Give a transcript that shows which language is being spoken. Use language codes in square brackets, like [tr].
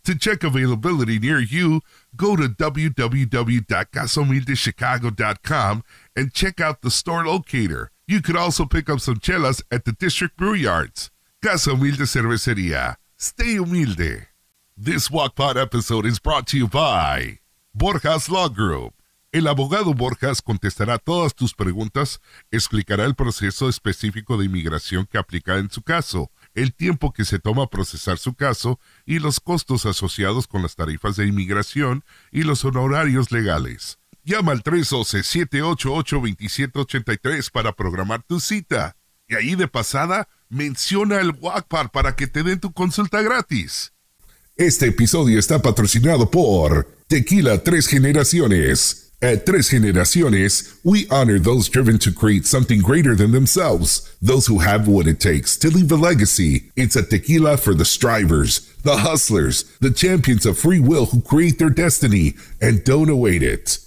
[en] To check availability near you, go to www.casahumildechicago.com and check out the store locator. You could also pick up some chelas at the District Brew Yards. Casa Humilde Cervecería. Stay humilde. This GuacPod episode is brought to you by Borjas Law Group. [es] El abogado Borjas contestará todas tus preguntas, explicará el proceso específico de inmigración que aplica en su caso, el tiempo que se toma procesar su caso y los costos asociados con las tarifas de inmigración y los honorarios legales. Llama al 312-788-2783 para programar tu cita. Y ahí de pasada, menciona el GuacPod para que te den tu consulta gratis. Este episodio está patrocinado por Tequila Tres Generaciones. [en] At Tres Generaciones, we honor those driven to create something greater than themselves, those who have what it takes to leave a legacy. It's a tequila for the strivers, the hustlers, the champions of free will who create their destiny and don't await it.